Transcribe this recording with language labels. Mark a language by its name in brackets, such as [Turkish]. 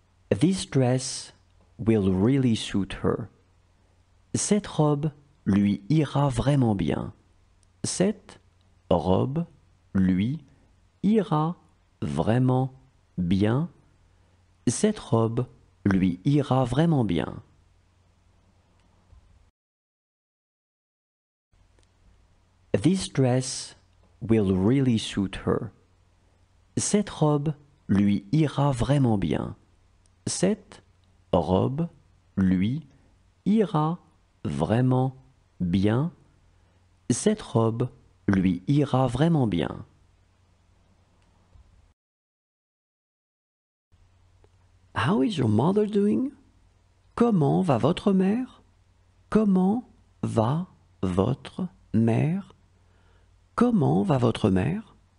[English] This dress will really suit her. [French] Cette robe lui ira vraiment bien. Cette robe lui ira vraiment bien. Cette robe lui ira vraiment bien. [English] This dress will really suit her. [French] Cette robe lui ira vraiment bien. Cette robe lui ira vraiment bien. Cette robe lui ira vraiment bien. [English] How is your mother doing? [French] Comment va votre mère? Comment va votre mère? Comment va votre mère?